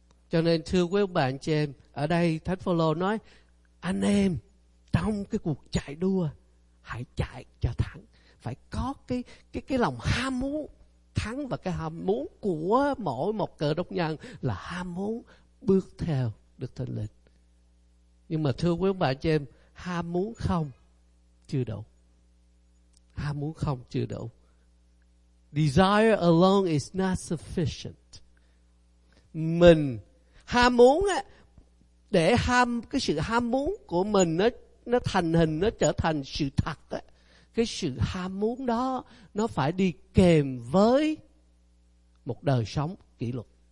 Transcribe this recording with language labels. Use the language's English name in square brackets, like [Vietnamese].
[Vietnamese] Cho nên thưa quý ông bà anh chị em, ở đây Thánh Phaolô nói, anh em trong cái cuộc chạy đua hãy chạy cho thắng, phải có cái lòng ham muốn thắng. Và cái ham muốn của mỗi một cơ đốc nhân là ham muốn bước theo Đức Thánh Linh. Nhưng mà thưa quý ông bà anh chị em, ham muốn không chưa đủ. Ham muốn không chưa đủ. [English] Desire alone is not sufficient. [Vietnamese] Mình ham muốn á, để ham cái sự ham muốn của mình nó thành hình, nó trở thành sự thật á, cái sự ham muốn đó nó phải đi kèm với một đời sống kỷ luật.